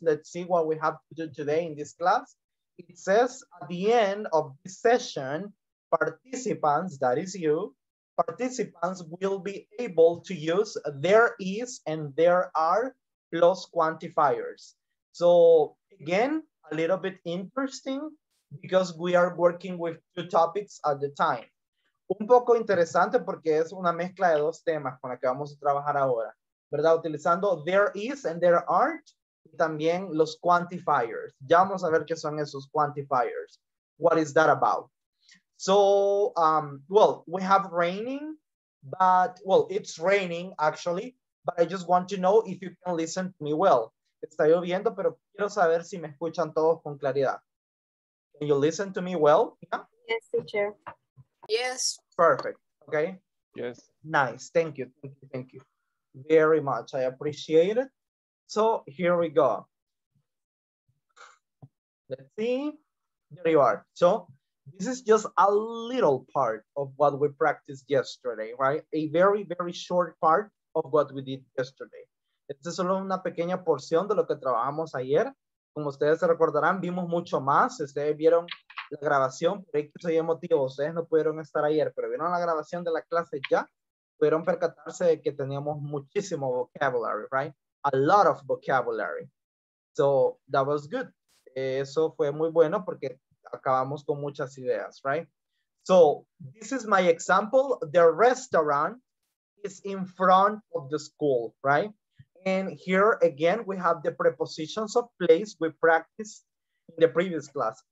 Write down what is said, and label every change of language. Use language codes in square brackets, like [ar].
[en] Let's see what we have to do today in this class. It says at the end of this session, participants, that is you, participants will be able to use there is and there are plus quantifiers. So again, a little bit interesting because we are working with two topics at the time. [es] Un poco interesante porque es una mezcla de dos temas con la que vamos a trabajar ahora, ¿verdad? Utilizando [en] there is and there aren't, [es] y también los quantifiers. Ya vamos a ver qué son esos quantifiers. [en] What is that about? So, well, we have raining, but, well, it's raining, actually, but I just want to know if you can listen to me well. [es] Está lloviendo, pero quiero saber si me escuchan todos con claridad. [en] Can you listen to me well? Yeah? Yes, teacher. Yes. Perfect. Okay. Yes. Nice. Thank you. Thank you. Thank you very much. I appreciate it. So here we go. Let's see. There you are. So this is just a little part of what we practiced yesterday, right? A very, very short part of what we did yesterday. [es] Esta es solo una pequeña porción de lo que trabajamos ayer. Como ustedes se recordarán, vimos mucho más. Ustedes vieron la grabación, por ahí que soy emotivo. Ustedes no pudieron estar ayer, pero vieron la grabación de la clase ya. Pudieron percatarse de que teníamos muchísimo vocabulary, right? [en] A lot of vocabulary. So that was good. [es] Eso fue muy bueno porque acabamos con muchas ideas, right? [en] So this is my example. The restaurant is in front of the school, right? And here again, we have the prepositions of place we practiced in the previous class.